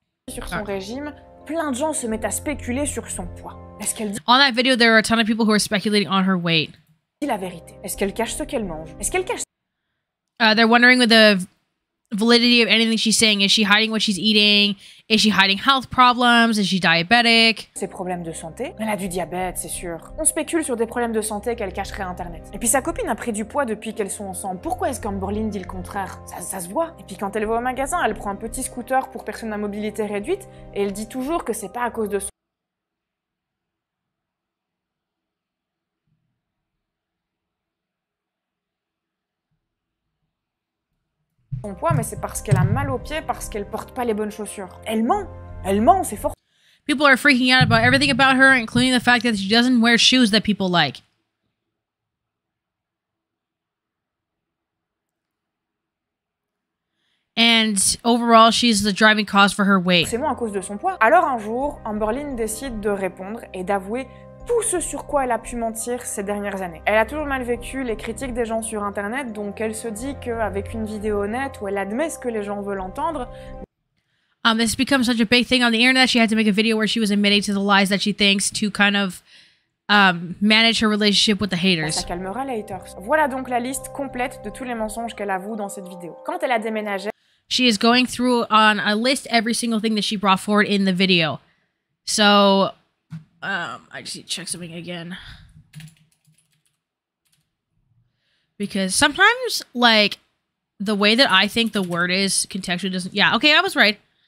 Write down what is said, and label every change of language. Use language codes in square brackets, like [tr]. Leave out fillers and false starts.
[fr] Sur son régime, plein de gens se mettent à spéculer sur son poids. Est-ce qu'elle dit... [en] On that video, there are a ton of people who are speculating on her weight. [fr] La vérité. Est-ce qu'elle cache ce qu'elle mange? Est-ce qu'elle cache... [en] They're wondering with the validity of anything she's saying. Is she hiding what she's eating? Is she hiding health problems? Is she diabetic? [fr] Ses problèmes de santé? Elle a du diabète, c'est sûr. On spécule sur des problèmes de santé qu'elle cacherait à Internet. Et puis sa copine a pris du poids depuis qu'elles sont ensemble. Pourquoi est-ce qu'Amberlynn dit le contraire? Ça se voit. Et puis quand elle va au magasin, elle prend un petit scooter pour personnes à mobilité réduite et elle dit toujours que c'est pas à cause de son... son poids, mais c'est parce qu'elle a mal aux pieds, parce qu'elle porte pas les bonnes chaussures. Elle ment, c'est fort. [en] People are freaking out about everything about her, including the fact that she doesn't wear shoes that people like. And overall, she's the driving cause for her weight. [fr] C'est moi à cause de son poids. Alors un jour, Amberlynn décide de répondre et d'avouer tout ce sur quoi elle a pu mentir ces dernières années. Elle a toujours mal vécu les critiques des gens sur Internet, donc elle se dit qu'avec une vidéo honnête où elle admet ce que les gens veulent entendre... [en] This has become such a big thing on the internet, she had to make a video where she was admitting to the lies that she thinks to kind of manage her relationship with the haters. [fr] Ça calmera les haters. Voilà donc la liste complète de tous les mensonges qu'elle avoue dans cette vidéo. Quand elle a déménagé... [en] She is going through on a list every single thing that she brought forward in the video. So... I just need to check something again. Because sometimes, like, the way that I think the word is contextually doesn't... Yeah, okay, I was right.